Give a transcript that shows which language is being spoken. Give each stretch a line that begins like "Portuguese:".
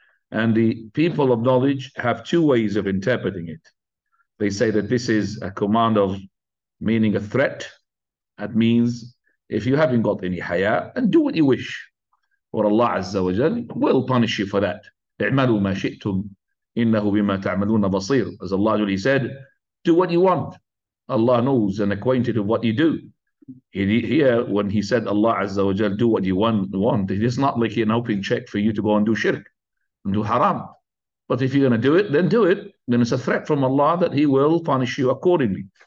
English: And the people of knowledge have two ways of interpreting it. They say that this is a command of meaning a threat. That means if you haven't got any haya, and do what you wish, or Allah Azza wa Jal will punish you for that.
Arabic: اعملوا ما شئتم إنه بما تعملون بصير.
English: As Allah Jalla said, do what you want. Allah knows and acquainted of what you do. Here, when he said Allah Azza wa Jal, do what you want, it is not like an open check for you to go and do shirk and do haram. But if you're going to do it, then do it. Then it's a threat from Allah that he will punish you accordingly.